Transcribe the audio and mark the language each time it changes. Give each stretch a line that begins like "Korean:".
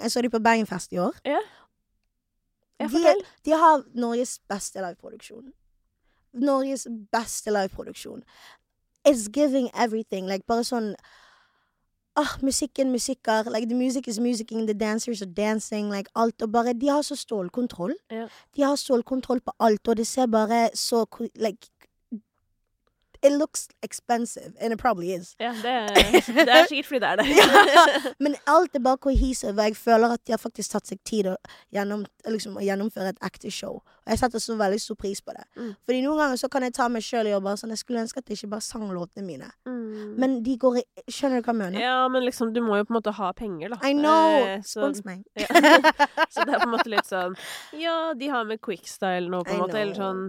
Norwegian: Jeg så de på Bergenfest i år. Ja. De har Norges beste liveproduksjon. Norges beste liveproduksjon.
English: It's giving everything. Like,
Norwegian: bare sånn... Ah, musikken, musikker.
English: Like, the music is musicking, the dancers are dancing.
Norwegian: Like, alt. Og bare, de har så stålkontroll. Ja. De har stålkontroll på alt, og det ser bare så...
English: Like, it looks expensive, and it probably is.
Norwegian: Ja, det sikkert fordi det det. Ja, men alt bare cohesive, og jeg føler at de har faktisk tatt seg tid å gjennomføre et ekte show. Og jeg setter så veldig stor pris på det. Mm. Fordi noen ganger så kan jeg ta meg selv og bare sånn, jeg skulle ønske at det ikke bare sang låtene mine. Mm. Men de går i, skjønner du hva jeg mener? Ja, men liksom, du må jo på en måte ha penger da.
English: I know,
Norwegian: spons meg. Ja. Så det på en måte litt sånn, ja, de har med quickstyle nå på en måte, eller sånn.